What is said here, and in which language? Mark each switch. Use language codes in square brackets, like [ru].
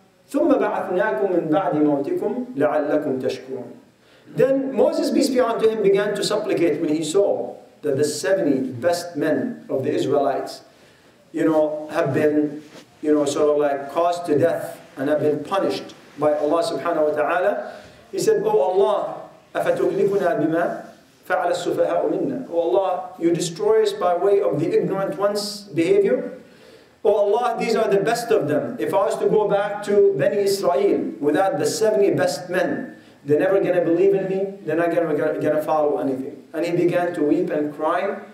[ar] ثُمَّ بَعَثْنَاكُمْ مِنْ بَعْدِ مَوْتِكُمْ لَعَلَّكُمْ تَشْكُرُونَ. [en] Then Moses, peace be unto him, began to supplicate when he saw that the 70 best men of the Israelites, you know, have been, you know, sort of like caused to death and have been punished by Allah subhanahu wa ta'ala. He said, oh Allah, [ar] أَفَتُهْلِكُنَا بِمَا فَعَلَ السُّفَهَاءُ مِنَّا. [en] Oh Allah, you destroy us by way of the ignorant ones' behavior. Oh Allah, these are the best of them. If I was to go back to Bani Israel without the 70 best men, they're never going to believe in me. They're not going to follow anything. And he began to weep and cry.